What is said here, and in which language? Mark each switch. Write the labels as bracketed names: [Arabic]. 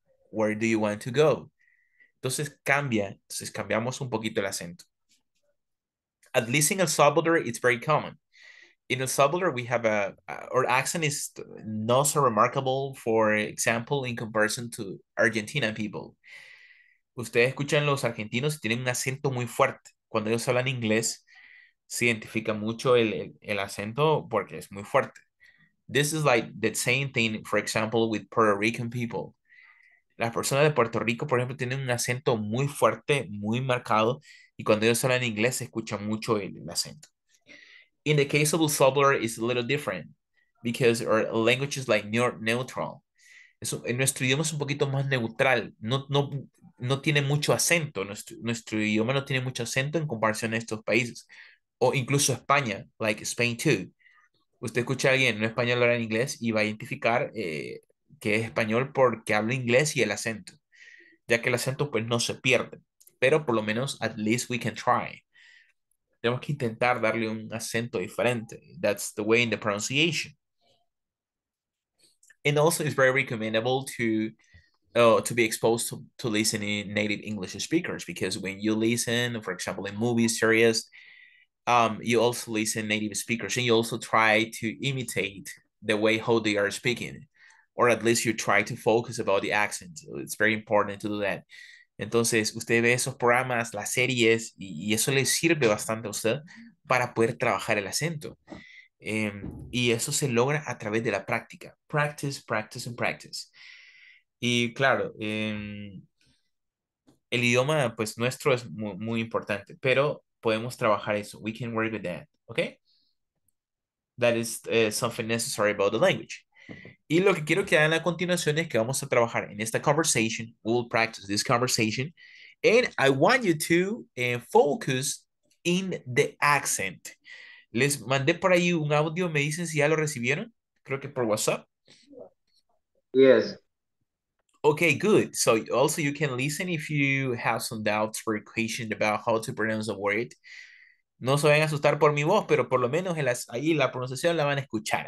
[English] Where do you want to go? [Spanish] Entonces cambia. Entonces cambiamos un poquito el acento. [English] At least in El Salvador, it's very common. In El Salvador, we have our accent is not so remarkable, for example, in comparison to Argentina people. [Spanish] Ustedes escuchan los argentinos y tienen un acento muy fuerte. Cuando ellos hablan inglés, se identifica mucho el acento porque es muy fuerte. [English] This is like the same thing, for example, with Puerto Rican people. [Spanish] Las personas de Puerto Rico, por ejemplo, tienen un acento muy fuerte, muy marcado, y cuando ellos hablan inglés se escucha mucho el acento. [English] In the case of El Salvador, it's a little different because our language is like neutral. [Spanish] En nuestro idioma es un poquito más neutral. No tiene mucho acento. Nuestro idioma no tiene mucho acento en comparación a estos países. O incluso España, [English] like Spain too. [Spanish] Usted escucha a alguien en español hablar en inglés y va a identificar que es español porque habla inglés y el acento, ya que el acento pues no se pierde, pero por lo menos [English] at least we can try. [Spanish] Tenemos que intentar darle un acento diferente. [English] That's the way in the pronunciation. And also it's very recommendable to be exposed to listening native English speakers, because when you listen, for example, in movie series, you also listen native speakers and you also try to imitate the way how they are speaking. Or at least you try to focus about the accent. So it's very important to do that. [Spanish] Entonces, usted ve esos programas, las series, y eso le sirve bastante a usted para poder trabajar el acento. Y eso se logra a través de la práctica. [English] Practice, practice, and practice. [Spanish] Y claro, el idioma, pues, nuestro es muy, muy importante, pero podemos trabajar eso. [English] We can work with that, okay? That is something necessary about the language. [Spanish] Y lo que quiero que hagan a continuación es que vamos a trabajar en esta conversation. [English] We'll practice this conversation. And I want you to focus in the accent. [Spanish] Les mandé por ahí un audio. Me dicen si ya lo recibieron. Creo que por WhatsApp. [English] Yes. Okay, good. So also you can listen if you have some doubts or questions about how to pronounce a word. [Spanish] No se vayan a asustar por mi voz, pero por lo menos ahí la pronunciación la van a escuchar.